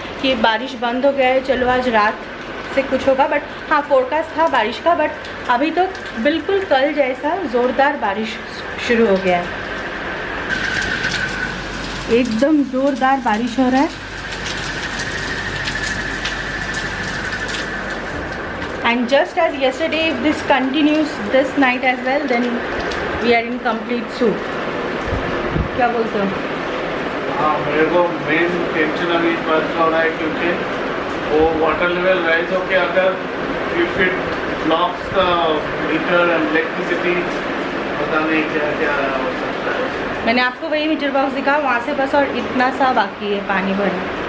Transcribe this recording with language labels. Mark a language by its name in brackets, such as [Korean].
[Hindi] कि बारिश बंद हो गया है, चलो आज रात से कुछ होगा, बट हाँ फोरकास्ट था बारिश का, बट अभी तो बिल्कुल कल जैसा ज़ोरदार बारिश शुरू हो गया है, एकदम ज़ोरदार बारिश हो रहा है। [English] And just as yesterday, if this continues this night as well, then we are in complete soup. [Hindi] क्या बोलते हो? हाँ, मेरे को main tension अभी इस बात का हो रहा है क्योंकि वो water level rise हो के अगर [English] if it blocks the meter and electricity, [Hindi] पता नहीं क्या क्या हो सकता है। मैंने आपको वही meter box दिखा, वहाँ से बस और इतना सा बाकी है पानी भरा।